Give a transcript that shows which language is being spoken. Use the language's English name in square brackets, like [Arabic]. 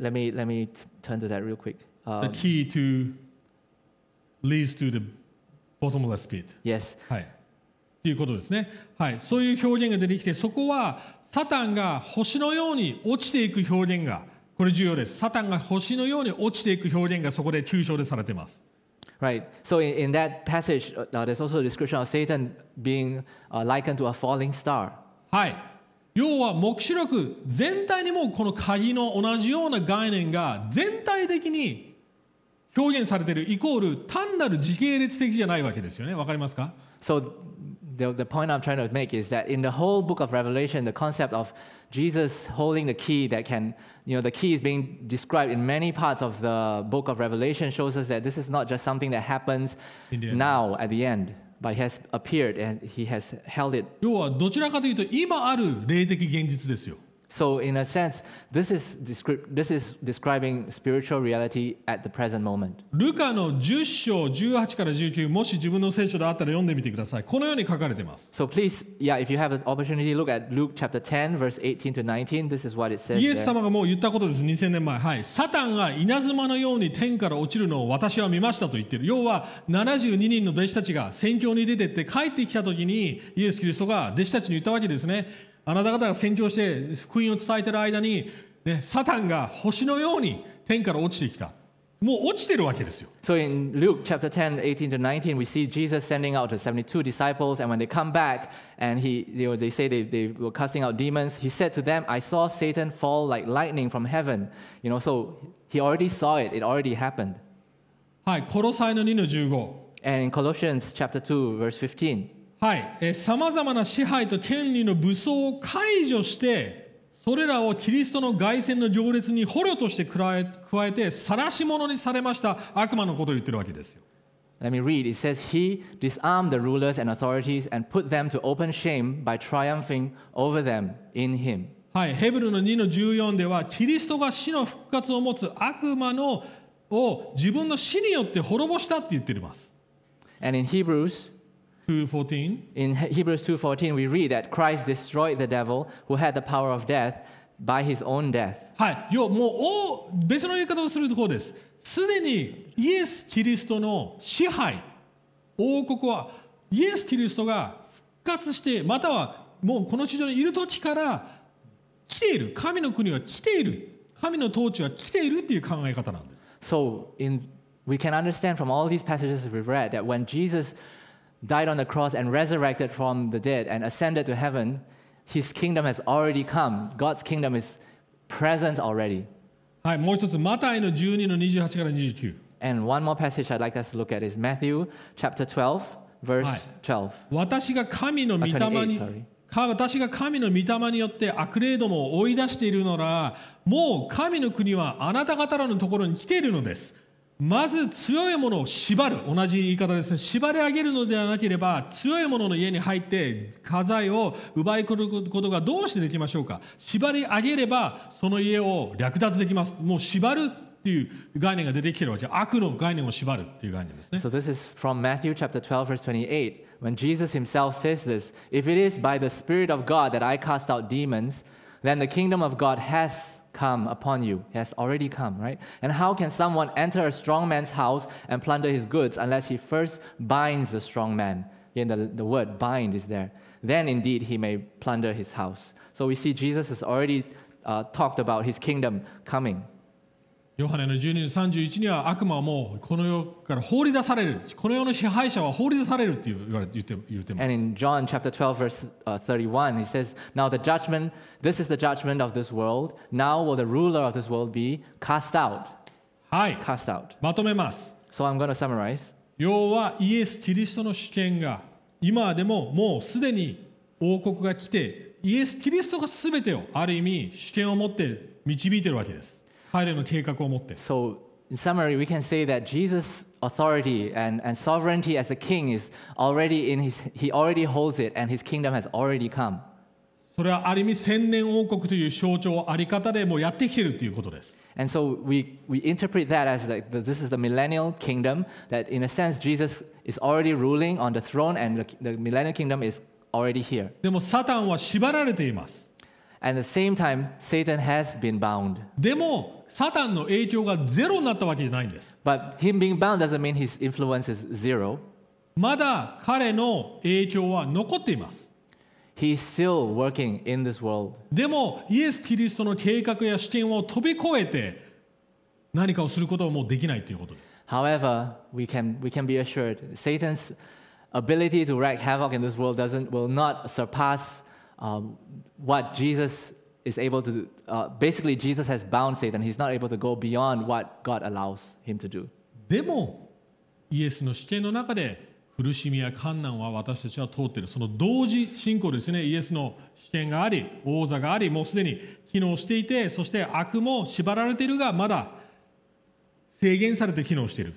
[English] Let me turn to that real quick. The key to leads to the bottomless pit. Yes. [Japanese] はい。ということですね。はい、そういう表現が出てきて、そこはサタンが星のように落ちていく表現が、これ重要です。サタンが星のように落ちていく表現がそこで抽象でされています。 [English] Right, so in that passage there's also a description of Satan being likened to a falling star. [Japanese] はい、要は黙示録全体にもこの鍵の同じような概念が全体的に表現されているイコール単なる時系列的じゃないわけですよね。わかりますか？ [English] SoThe point I'm trying to make is that in the whole book of Revelation, the concept of Jesus holding the key that can, you know, the key is being described in many parts of the book of Revelation shows us that this is not just something that happens now at the end, but has appeared and he has held it. [Japanese] 要はどちらかというと今ある霊的現実ですよ。 [English] So in a sense, this is describing spiritual reality at the present moment. [Japanese] ルカの10章18から19、もし自分の聖書であったら読んでみてください。このように書かれています。 [English] So please, yeah, if you have an opportunity, look at Luke chapter 10, verse 18 to 19. This is what it says. [Japanese] イエス様がもう言ったことです。2000年前、はい、サタンが稲妻のように天から落ちるのを私は見ましたと言ってる。要は72人の弟子たちが宣教に出てって帰ってきた時にイエスキリストが弟子たちに言ったわけですね。あなた方が宣教して福音を伝えている間に、ね、サタンが星のように天から落ちてきた。もう落ちてるわけですよ。 [English] So in Luke chapter 10, 18 to 19, we see Jesus sending out the 72 disciples, and when they come back, and they were casting out demons, he said to them, I saw Satan fall like lightning from heaven. You know, so he already saw it, it already happened. [Japanese] はい、コロサイの2の15。 [English] And in Colossians chapter 2, verse 15. [Japanese] はい、さまざまな支配と権利の武装を解除して、それらをキリストの凱旋の行列に捕虜として加えて晒し者にされました悪魔のことを言ってるわけですよ。 [English] Let me read. It says, He disarmed the rulers and authorities and put them to open shame by triumphing over them in Him. [Japanese] はい、ヘブルの2の14では、キリストが死の復活を持つ悪魔のを自分の死によって滅ぼしたって言ってます。 [English] And in Hebrews, 2:14. In Hebrews 2:14, we read that Christ destroyed the devil who had the power of death by his own death. [Japanese] はい、要もう別の言い方をするとこうです。すでにイエス・キリストの支配、王国はイエス・キリストが復活して、またはもうこの地上にいる時から来ている。神の国は来ている。神の統治は来ているっていう考え方なんです。 [English] So we can understand from all these passages we've read that when Jesus died on the cross and resurrected from the dead and ascended to heaven, his kingdom has already come. God's kingdom is present already. [Japanese] はい、もう一つ、マタイの12の28から29。 [English] And one more passage I'd like us to look at is Matthew chapter 12, verse 12. [Japanese] 私が神の御霊に、私が神の御霊によって悪霊どもを追い出しているなら、もう神の国はあなた方らのところに来ているのです。まず強いものを縛る、同じ言い方ですね、縛り上げるのではなければ、強いものの家に入って家財を奪い取ることがどうしてできましょうか。縛り上げればその家を略奪できます。もう縛るっていう概念が出てきてるわけ、悪の概念を縛るっていう概念ですね。 [English] So this is from Matthew chapter 12 verse 28. When Jesus himself says this, If it is by the Spirit of God that I cast out demons, then the kingdom of God hascome upon you. He has already come, right? And how can someone enter a strong man's house and plunder his goods unless he first binds the strong man? Again, the word bind is there. Then indeed he may plunder his house. So we see Jesus has already talked about his kingdom coming. [Japanese] ヨハネの12の31には悪魔はもうこの世から放り出される。この世の支配者は放り出されるって言ってます。 [English] And in John chapter 12 verse 31, he says, Now the judgment, this is the judgment of this world. Now will the ruler of this world be cast out. [Japanese] はい。 [English] Cast out. [Japanese] まとめます。 [English] So I'm going to summarize. [Japanese] 要はイエス・キリストの主権が今でももうすでに王国が来て、イエス・キリストが全てをある意味主権を持って導いてるわけです。 [English] So, in summary, we can say that Jesus' authority and sovereignty as the king is already in his, he already holds it, and his kingdom has already come. [Japanese] それはある意味千年王国という象徴をあり方でもうやってきてるということです。 [English] And so we interpret that as this is the millennial kingdom, that in a sense Jesus is already ruling on the throne, and the millennial kingdom is already here. [Japanese] でもサタンは縛られています。 [English] At the same time, Satan has been bound. [Japanese] でも、サタンの影響がゼロになったわけじゃないんです。 [English] But him being bound doesn't mean his influence is zero. [Japanese] まだ彼の影響は残っています。 [English] He is still working in this world. [Japanese] でも、イエス・キリストの計画や主権を飛び越えて何かをすることはもうできないということです。 [English] However, we can be assured, Satan's ability to wreak havoc in this world will not surpass what Jesus is able to do. Basically, Jesus has bound Satan. He's not able to go beyond what God allows him to do. [Japanese] でも、イエスの主権の中で苦しみや困難は私たちは通っている。その同時進行ですね。イエスの主権があり、王座があり、もうすでに機能していて、そして悪も縛られているが、まだ制限されて機能している。